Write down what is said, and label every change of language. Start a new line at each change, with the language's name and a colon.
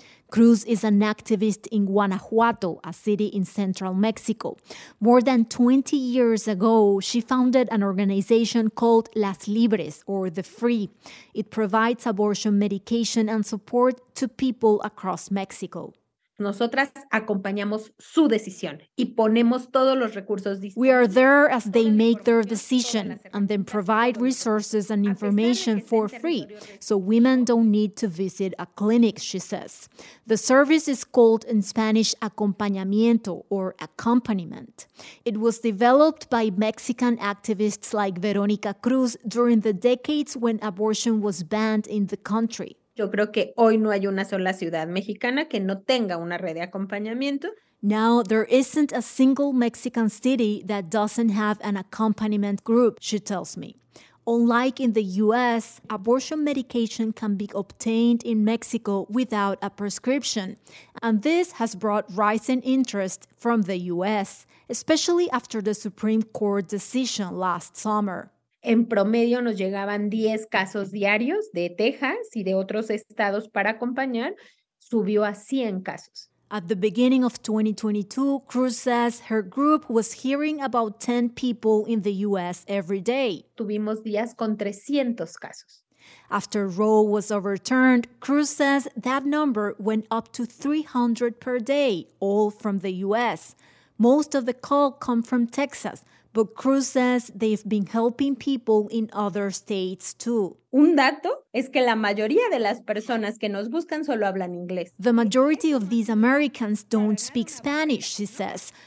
English: Cruz is an activist in Guanajuato, a city in central Mexico. More than 20 years ago, she founded an organization called Las Libres, or The Free. It provides abortion medication and support to people across Mexico.
Spanish: Nosotras acompañamos su decisión y ponemos todos los recursos disponibles.
English: We are there as they make their decision and then provide resources and information for free so women don't need to visit a clinic, she says. The service is called in Spanish acompañamiento or accompaniment. It was developed by Mexican activists like Veronica Cruz during the decades when abortion was banned in the country.
Spanish: Yo creo que hoy no hay una sola ciudad mexicana que no tenga una red de acompañamiento.
English: Now, there isn't a single Mexican city that doesn't have an accompaniment group, she tells me. Unlike in the U.S., abortion medication can be obtained in Mexico without a prescription. And this has brought rising interest from the U.S., especially after the Supreme Court decision last summer.
Spanish: En promedio nos llegaban 10 casos diarios de Texas y de otros estados para acompañar, subió a 100 casos.
English: At the beginning of 2022, Cruz says her group was hearing about 10 people in the U.S. every day.
Spanish: Tuvimos días con 300 casos.
English: After Roe was overturned, Cruz says that number went up to 300 per day, all from the U.S. Most of the call come from Texas, but Cruz says they've been helping people in other states too.
Spanish: Un dato es que la mayoría de las personas que nos buscan solo hablan inglés.
English: The majority of these Americans don't speak Spanish, she says.